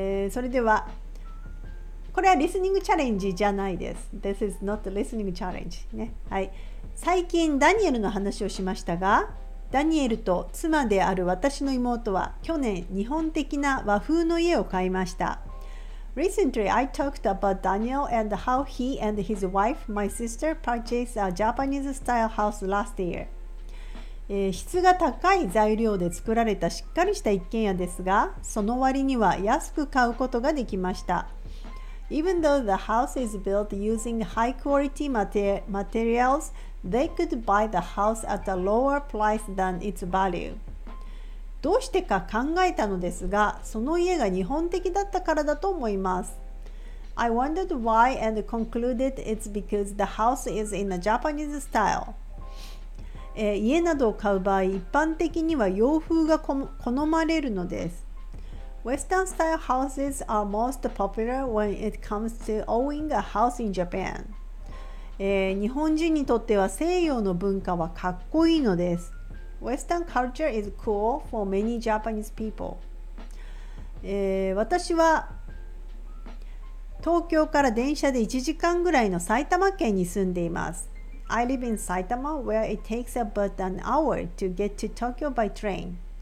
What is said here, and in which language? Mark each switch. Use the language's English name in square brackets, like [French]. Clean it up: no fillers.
[Japanese] それでは、これはリスニングチャレンジじゃないです。 [English] This is not a listening challenge.、 [Japanese] ね、はい。最近ダニエルの話をしましたが、ダニエルと妻である私の妹は去年日本的な和風の家を買いました。 [English] Recently, I talked about Daniel and how he and his wife, my sister, purchased a Japanese style house last year. [Japanese] 質が高い材料で作られたしっかりした一軒家ですが、その割には安く買うことができました。 [English] Even though the house is built using high quality materials, they could buy the house at a lower price than its value. [Japanese] どうしてか考えたのですが、その家が日本的だったからだと思います。 [English] I wondered why and concluded it's because the house is in a Japanese style. [Japanese] 家などを買う場合、一般的には洋風が好まれるのです。 [English] Western style houses are most popular when it comes to owning a house in Japan. [Japanese] 日本人にとっては西洋の文化はかっこいいのです。 [English] Western culture is cool for many Japanese people. [Japanese] 私は東京から電車で1時間ぐらいの埼玉県に住んでいます。 [English] I live in Saitama where it takes about an hour to get to Tokyo by train.